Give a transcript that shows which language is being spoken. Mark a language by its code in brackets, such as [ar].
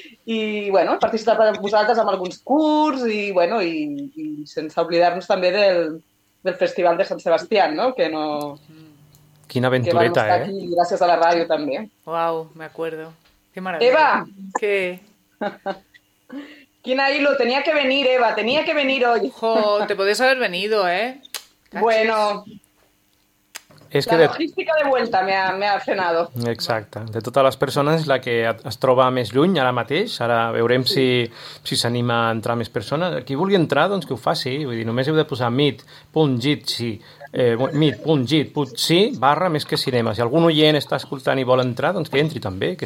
[ca] I, bueno, he participat amb vosaltres en alguns curs i, bueno, i sense oblidar-nos també del Festival de Sant Sebastià, no? Que no... Quina aventureta, que vam estar aquí gràcies a la ràdio, també. [es] Uau, me acuerdo. Qué maravilla. Eva! [ca] Què? [es] Quina hilo, tenia que venir, Eva, tenia que venir hoy. [ca] Jo, te podies haver venido, [es] Cachis. Bueno... Es que la logística de vuelta me ha frenado. [ca] Exacte. De totes les persones, la que es troba més lluny ara mateix. Ara veurem si s'anima a entrar més persones. Qui vulgui entrar, doncs que ho faci. Vull dir, només heu de posar meet.jitsi.jit.si/mesquecinema. Si algun oient està escoltant i vol entrar, doncs que entri també, que